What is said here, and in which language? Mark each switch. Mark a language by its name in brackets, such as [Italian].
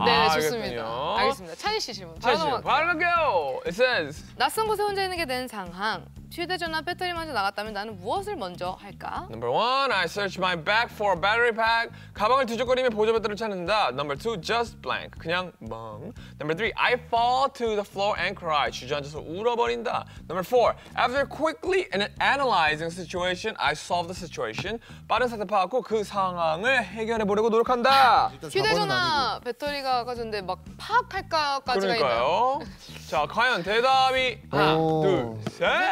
[Korean] 네 아, 좋습니다 알겠군요. 알겠습니다 찬희 씨 질문 찬희 씨 바로 갈게요 It says 낯선 곳에 혼자 있는 게 된 상황 휴대전화 배터리 먼저 나갔다면 나는 무엇을 먼저 할까? [English] Number one, I search my bag for a battery pack. [Korean] 가방을 뒤적거리며 보조 배터리를 찾는다. [English] Number two, just blank. 그냥 멍. Number three, I fall to the floor and cry. [Korean] 주저앉아서 울어버린다. [English] Number four, after quickly analyzing the situation, I solve the situation. [Korean] 빠른 사태 파악하고 그 상황을 해결해보려고 노력한다. 아, 휴대전화 배터리가 꺼졌는데 막 파악할까까지가 그러니까요. 자, 과연 대답이 하나, 둘, 셋.